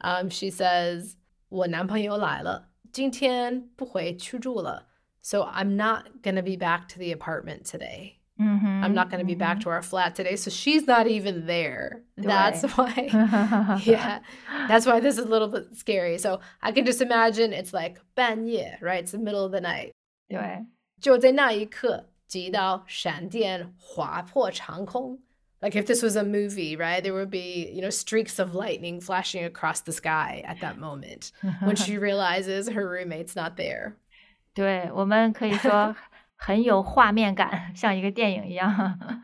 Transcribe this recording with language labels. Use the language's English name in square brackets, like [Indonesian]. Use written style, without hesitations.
[English] She says, [Chinese] 我男朋友来了,今天不回去住了。 [English] So I'm not going to be back to the apartment today. Mm-hmm, I'm not going to be、mm-hmm. back to our flat today. So she's not even there. That's why, yeah, that's why this is a little bit scary. So I can just imagine it's like 半夜, right? It's the middle of the night. [Chinese] 对。就在那一刻,几道闪电划破长空。 [English] Like if this was a movie, right? There would be, you know, streaks of lightning flashing across the sky at that moment when she realizes her roommate's not there. [Chinese] 对,我们可以说很有画面感像一个电影一样。